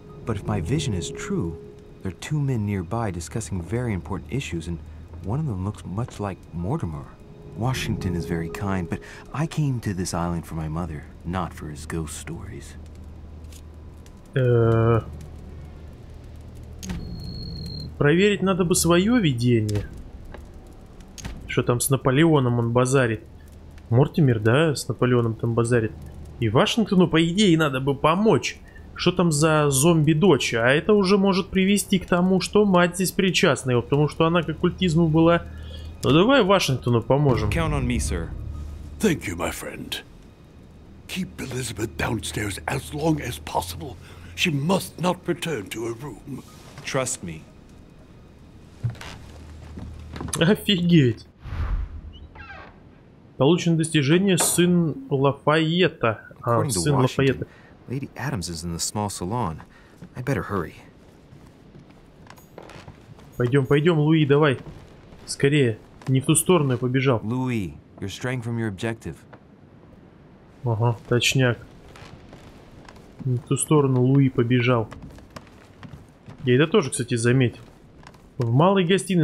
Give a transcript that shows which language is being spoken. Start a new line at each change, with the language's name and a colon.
English: But if my vision is true, there are two men nearby discussing very important issues, and one of them looks much like Mortimer. Washington is very kind, but I came to this island for my mother, not for his ghost stories.
Russian: Проверить надо бы свое видение. Что там с Наполеоном он базарит? Мортимер, да, с Наполеоном там базарит. И Вашингтону, по идее, надо бы помочь. Что там за зомби-дочь? А это уже может привести к тому, что мать здесь причастна. Его, потому что она к оккультизму была. Ну давай Вашингтону поможем.
English: Count on me, sir. Thank you, my friend. Keep Elizabeth downstairs as long as possible. She must not return to her room. Trust me.
Russian: Офигеть. Получено достижение сын Лафайета. А, сын Лафайета.
English: Lady Adams is in the small salon. I better hurry.
Russian: Пойдем, пойдем, Луи, давай. Скорее. Не в ту сторону я побежал.
English: Луи, your strength from your objective.
Russian: Ага, точняк. Не в ту сторону Луи побежал. Я это тоже, кстати, заметил. В малой гостиной.